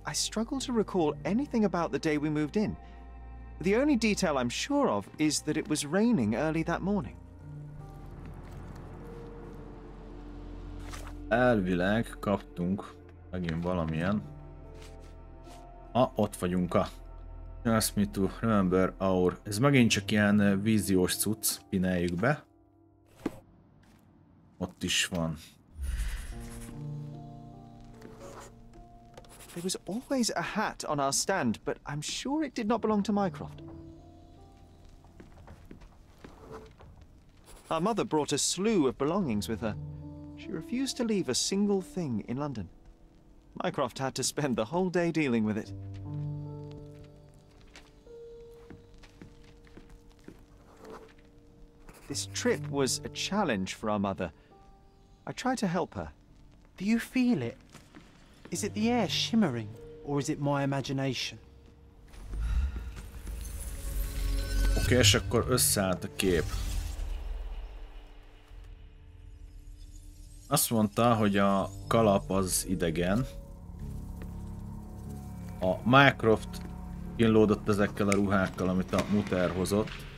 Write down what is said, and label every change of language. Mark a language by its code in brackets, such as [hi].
[en] I struggle to recall anything about the day we moved in. The only detail I'm sure of is that it was raining early that morning. [hu] Elvileg kaptunk megint valamilyen. Ott vagyunk a [en] Just Me To Remember Our. [hu] Ez megint csak ilyen víziós cucc, pineljük be. Ott is van. [en] There was always a hat on our stand, but I'm sure it did not belong to Mycroft. Our mother brought a slew of belongings with her. She refused to leave a single thing in London. Mycroft had to spend the whole day dealing with it. This trip was a challenge for our mother. I tried to help her. Do you feel it? Is it the air shimmering, or is it my imagination? [hu] Oké, és akkor összeállt a kép. Azt mondta, hogy a kalap az idegen. A Mycroft kínlódott ezekkel a ruhákkal, amit a Mutter hozott.